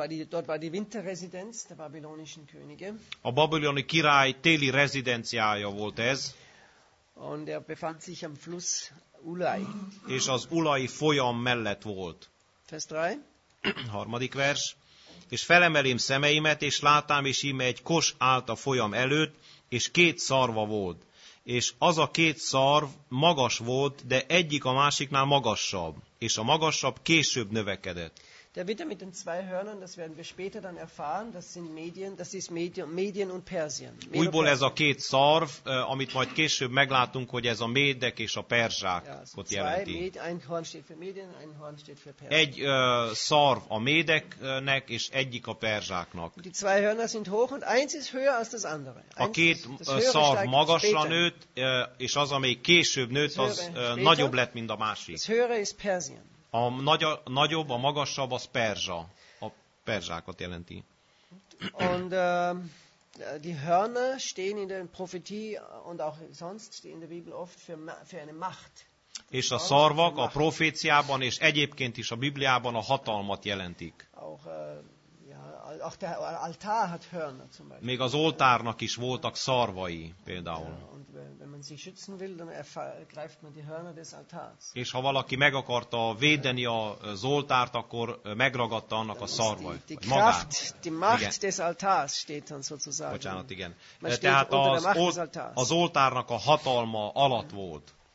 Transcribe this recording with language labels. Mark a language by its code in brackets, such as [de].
[de] Dort war die Winterresidenz der babylonischen Könige. [hu] A babiloni király téli rezidenciája volt ez. [de] Und befand sich am Fluss Ulai. [hu] És az Ulai folyam mellett volt. [de] Vers 3. [hu] Harmadik vers. És felemelém szemeimet, és látám, és íme egy kos állt a folyam előtt, és két szarva volt. És az a két szarv magas volt, de egyik a másiknál magasabb. És a magasabb később növekedett. [de] Der Widder mit den zwei Hörnern, das werden wir später dann erfahren, das sind Medien, das ist Medien und Persien. [hu] Újból ez a két szarv, amit majd később meglátunk, hogy ez a médek és a perzsákot jelenti. [de] Ein Horn steht für Medien, ein Horn steht für Persien. [hu] Egy szarv a médeknek, és egyik a perzsáknak. [de] Die zwei Hörner sind hoch und eins ist höher als das andere. [hu] A két szarv magasra nőtt, és az, amely később nőtt, az nagyobb lett, mint a másik. [de] Das höhere ist Persien. [hu] A nagyobb, a magasabb az perzsa, a perzsákat jelenti. [de] Und die Hörner stehen in der Prophetie und auch sonst in der Bibel oft für eine Macht. [hu] És a szarvak a proféciában és egyébként is a Bibliában a hatalmat jelentik. [de] Auch der Altar hat Hörner zum Beispiel. [hu] Még az oltárnak is voltak szarvai például. [de] Wenn man sich schützen will, dann greift man die Hörner des Altars. [hu] És ha valaki meg akarta védeni az oltárt, akkor megragadta annak a szarvait. [de] Die Macht des Altars steht dann sozusagen. [hu] Bocsánat, igen. Tehát az oltárnak a hatalma alatt volt.